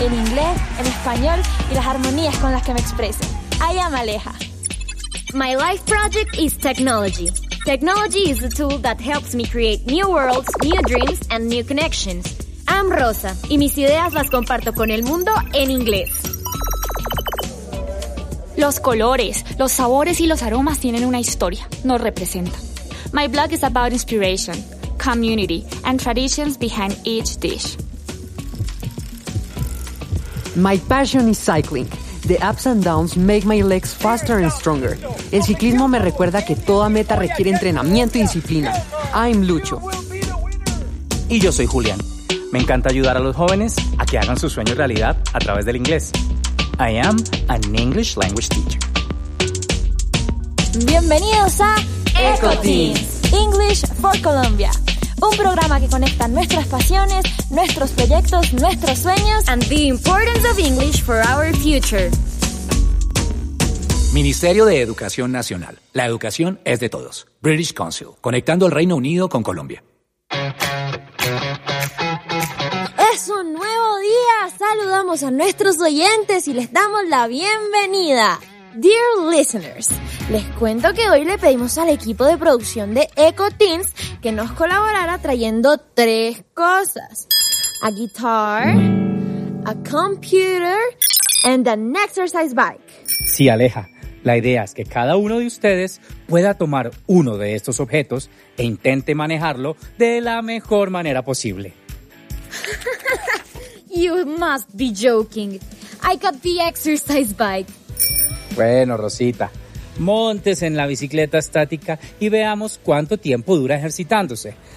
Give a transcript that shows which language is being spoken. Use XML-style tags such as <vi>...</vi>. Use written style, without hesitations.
<es>El inglés, el español y las armonías con las que me expreso.</es> <en>I am Aleja. My life project is technology. Technology is a tool that helps me create new worlds, new dreams, and new connections. I'm Rosa,</en> <es>y mis ideas las comparto con el mundo en inglés. Los colores, los sabores y los aromas tienen una historia, nos representan.</es> <en>My blog is about inspiration, community, and traditions behind each dish. My passion is cycling. The ups and downs make my legs faster and stronger.</en> <es>El ciclismo me recuerda que toda meta requiere entrenamiento y disciplina.</es> <en>I'm Lucho.</en> <es>Y yo soy Julián. Me encanta ayudar a los jóvenes a que hagan sus sueños realidad a través del inglés.</es> <en>I am an English language teacher.</en> <es>Bienvenidos a EcoTeens,</es> <en>English for Colombia.</en> <es>Un programa que conecta nuestras pasiones, nuestros proyectos, nuestros sueños</es> <en>and the importance of English for our future.</en> <es>Ministerio de Educación Nacional. La educación es de todos. British Council. Conectando el Reino Unido con Colombia. Es un nuevo día. Saludamos a nuestros oyentes y les damos la bienvenida.</es> <en>Dear listeners,</en> <es>les cuento que hoy le pedimos al equipo de producción de EcoTeens que nos colaborara trayendo tres cosas.</es> <en>A guitar, a computer, and an exercise bike.</en> <es>Sí, Aleja. La idea es que cada uno de ustedes pueda tomar uno de estos objetos e intente manejarlo de la mejor manera posible.</es> <en>You must be joking. I got the exercise bike.</en> <es>Bueno, Rosita, montes en la bicicleta estática y veamos cuánto tiempo dura ejercitándose.</es>